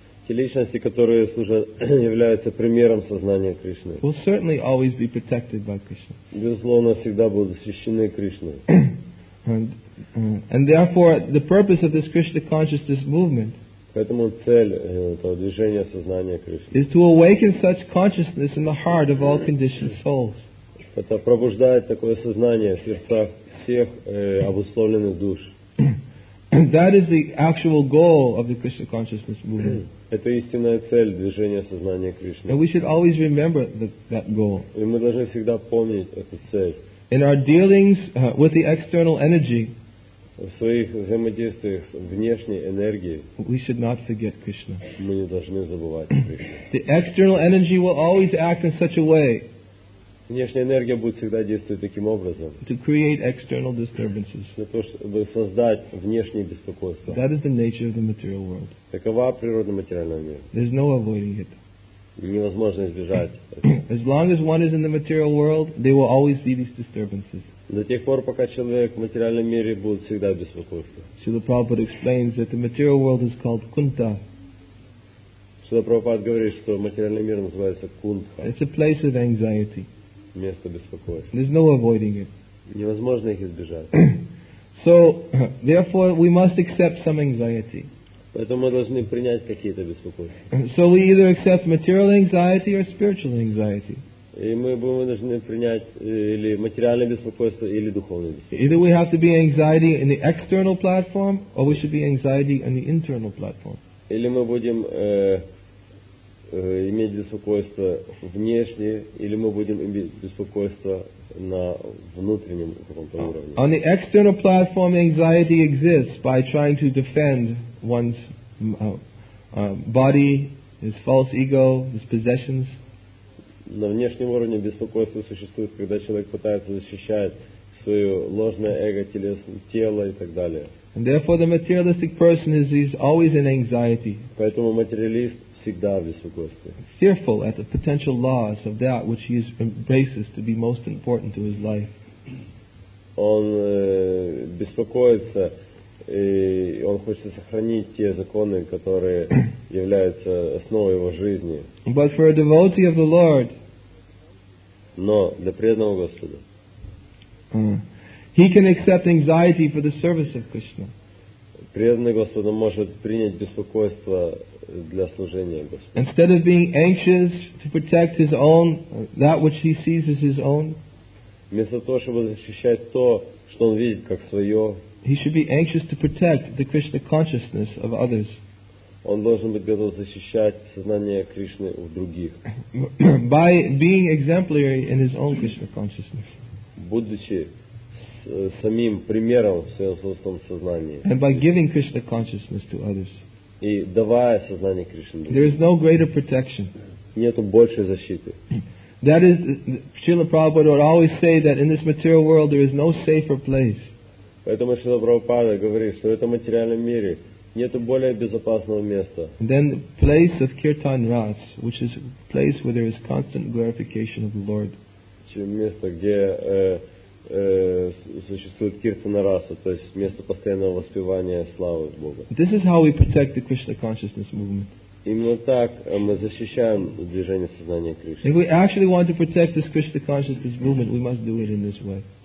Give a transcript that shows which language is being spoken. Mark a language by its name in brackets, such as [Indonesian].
[Russian] Те личности, которые служат, являются примером сознания Кришны. [English] Will certainly always be protected by Krishna. [Russian] Безусловно, всегда будут защищены Кришной. [English] And therefore, the purpose of this Krishna consciousness movement. [Russian] Поэтому цель этого движения сознания Кришны. [English] Is to awaken such consciousness in the heart of all conditioned souls. [Russian] Это пробуждает такое сознание в сердцах всех обусловленных душ. [English] That is the actual goal of the Krishna consciousness movement. [Russian] Это истинная цель движения сознания Кришны. [English] And we should always remember that goal. [Russian] И мы должны всегда помнить эту цель. [English] In our dealings with the external energy. [Russian] В своих взаимодействиях с внешней энергией. [English] We should not forget Krishna. [Russian] Мы не должны забывать Кришну. [English] The external energy will always act in such a way. [Russian] Внешняя энергия будет всегда действовать таким образом. [English] To create external disturbances. [Russian] Для того, чтобы создать внешние беспокойства. [English] That is the nature of the material world. [Russian] Такова природа материального мира. [English] There's no avoiding it. [Russian] Невозможно избежать. [English] As long as one is in the material world, there will always be these disturbances. [Russian] До тех пор, пока человек в материальном мире, будет всегда беспокойство. [English] Srila Prabhupada explains that the material world is called Kunta. [Russian] Srila Prabhupada говорит, что материальный мир называется Кунтха. [English] It's a place of anxiety. [Russian] Место беспокойства. [English] There's no avoiding it. [Russian] Невозможно их избежать. [English] So, therefore, we must accept some anxiety. [Russian] Поэтому мы должны принять какие-то беспокойства. [English] So we either accept material anxiety or spiritual anxiety. [Russian] И мы будем должны принять или материальное беспокойство, или духовное беспокойство. [English] Either we have to be anxiety in the external platform, or we should be anxiety in the internal platform. [Russian] Или мы будем иметь беспокойство внешнее, или мы будем иметь беспокойство на внутреннем каком-то уровне. [English] On the external platform, anxiety exists by trying to defend one's body, his false ego, his possessions. [Russian] На внешнем уровне беспокойство существует, когда человек пытается защищать свое ложное эго, тело и так далее. [English] And therefore, the materialistic person is always in anxiety. [Russian] Поэтому материалист всегда в беспокойстве. [English] Fearful at the potential loss of that which he embraces to be most important to his life. [Russian] Он беспокоится, и он хочет сохранить те законы, которые являются основой его жизни. [English] But for a devotee of the Lord, [Russian] но для преданного Господа, [English] he can accept anxiety for the service of Krishna. [Russian] Преданный Господу может принять беспокойство для служения Господу. [English] Instead of being anxious to protect his own, that which he sees as his own, [Russian] вместо того, чтобы защищать то, что он видит как свое, [English] he should be anxious to protect the Krishna consciousness of others. [Russian] Он должен быть готов защищать сознание Кришны у других. [English] By being exemplary in his own Krishna consciousness. [Russian] Будучи самим примером в своем собственном сознании. [English] And by giving Krishna consciousness to others. [Russian] И давая сознание Кришны. [English] There is no greater protection. [Russian] Нету большей защиты. [English] That is, Srila Prabhupada would always say that in this material world there is no safer place. [Russian] Поэтому Шрила Прабхупада говорит, что в этом материальном мире нет более безопасного места. [English] Then the place of Kirtan Ras, which is a place where there is constant glorification of the Lord. [Russian] Чем место, где существует Киртана Раса, то есть место постоянного воспевания славы Бога. [English] This is how we protect the Krishna consciousness movement. [Russian] Именно так мы защищаем движение сознания Кришны. [English] If we actually want to protect this Krishna consciousness movement, we must do it in this way.